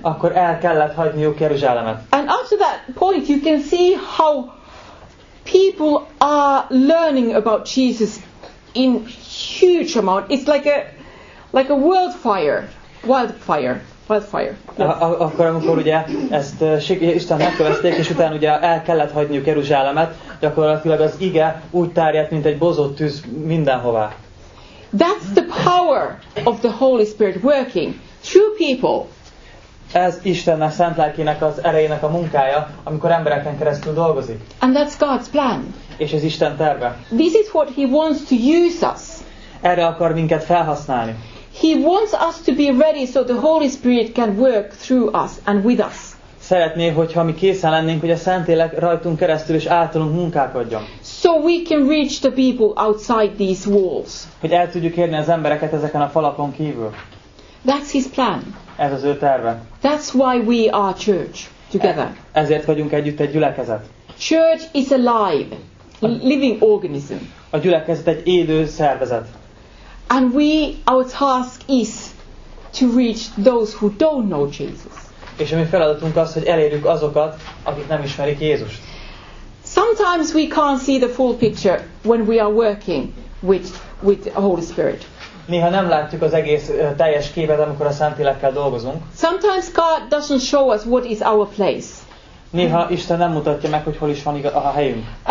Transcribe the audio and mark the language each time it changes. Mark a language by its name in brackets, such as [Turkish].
[Hungarian] Akkor el kellett hagyniuk Jeruzsálemet. [English] And after that point, you can see how people are learning about Jesus in huge amount. It's like a wildfire. [Hungarian] Akkor amikor ugye ezt Isten megkövezték, és utána ugye el kellett hagyniuk Jeruzsálemet, gyakorlatilag az ige úgy terjedt, mint egy bozott tűz mindenhová. [English] That's the power of the Holy Spirit working through people. [Hungarian] Ez Isten a Szent Lelkének az erejének a munkája, amikor embereken keresztül dolgozik. [English] And that's God's plan. [Hungarian] És ez Isten terve. [English] This is what he wants to use us. [Hungarian] Erre akar minket felhasználni. [English] He wants us to be ready so the Holy Spirit can work through us and with us. [Hungarian] Szeretné, hogyha mi készen lennénk, hogy a Szentlélek rajtunk keresztül és általunk munkálkodjon. [English] So we can reach the people outside these walls. [Hungarian] Hogy el tudjuk érni az embereket ezeken a falakon kívül. [English] That's his plan. [Hungarian] Ez az ő terve. [English] That's why we are church together. [Hungarian] Ezért vagyunk együtt egy gyülekezet. [English] Church is alive, living organism. [Hungarian] A gyülekezet egy élő szervezet. [English] And we, our task is to reach those who don't know Jesus. [Hungarian] És a mi feladatunk az, hogy elérjük azokat, akik nem ismerik Jézust. [English] Sometimes we can't see the full picture when we are working with the Holy Spirit. [Hungarian] Néha nem látjuk az egész teljes képet, amikor a Szentlélekkel dolgozunk. [English] Sometimes God doesn't show us what is our place. [Hungarian] Néha Isten nem mutatja meg, hogy hol is van a helyünk.